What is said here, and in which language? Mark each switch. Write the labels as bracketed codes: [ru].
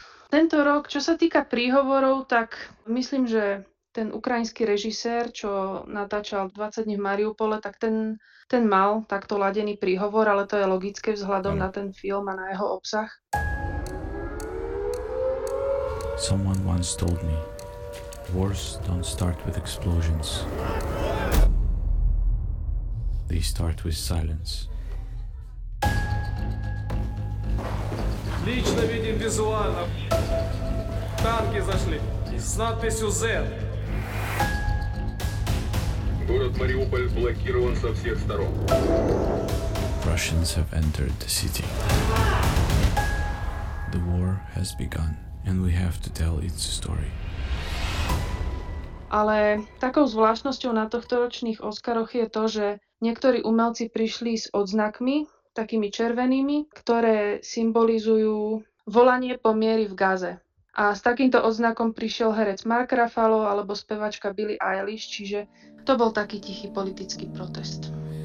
[sk] Tento rok, čo sa týka príhovorov, tak myslím, že ten ukrajinský režisér, čo natáčal 20 dní v Mariupole, tak ten mal takto ladený príhovor, ale to je logické vzhľadom na ten film a na jeho obsah. [en] Someone once told me, wars don't start with explosions. They start with silence. [ru] Лично видим визуально. Танки зашли с надписью Z. Город Мариуполь блокирован со всех сторон. [en] Russians have entered the city. The war has begun. And we have to tell its story. [sk] Ale takou zvláštnosťou na tohto ročných Oscaroch je to, že niektorí umelci prišli s odznakmi, takými červenými, ktoré symbolizujú volanie po miery v Gaze. A s takýmto odznakom prišiel herec Mark Ruffalo alebo spevačka Billie Eilish, čiže to bol taký tichý politický protest.